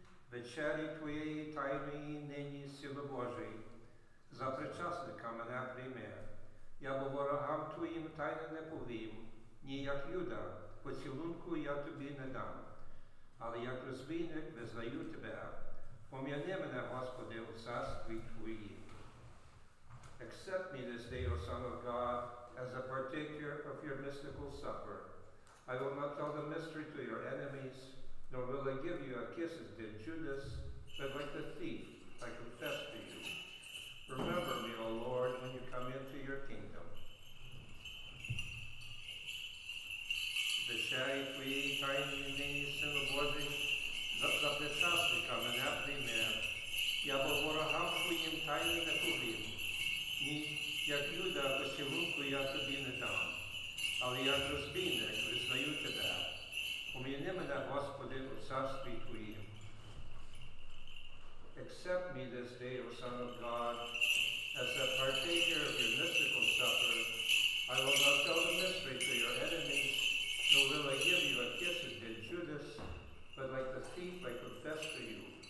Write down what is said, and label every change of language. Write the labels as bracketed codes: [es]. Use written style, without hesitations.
[uk] Вечері Твоєї тайної нині сили Божої, за причасника мене прийми. Я бо ворогам Твоїм тайно не повім, ні як Юда, поцілунку я тобі не дам. Але як розбійник визнаю тебе, пом'яни мене, Господи, у царстві Твої. [en] Accept me this day, O Son of God, as a partaker of your mystical supper. I will not tell the mystery to your enemies, nor will I give you a kiss as did Judas, but like the thief, I confess to you. Remember me, O Lord, when you come into your kingdom. [uk] Вечері Твоєї тайної нині, Сину Божий, за причасника мене прийми. Я бо ворогам Твоїм тайні не повім. Ні, як Юда, посілунку я тобі не дам. Але як розбійник визнаю тебе. Помяни мене, Господи, у царстві Твоїм. [en] Accept me this day, O Son of God, as a partaker of your mystical supper. I will not tell the mystery to your enemies, nor will I give you a kiss as did Judas, but like the thief I confess to you.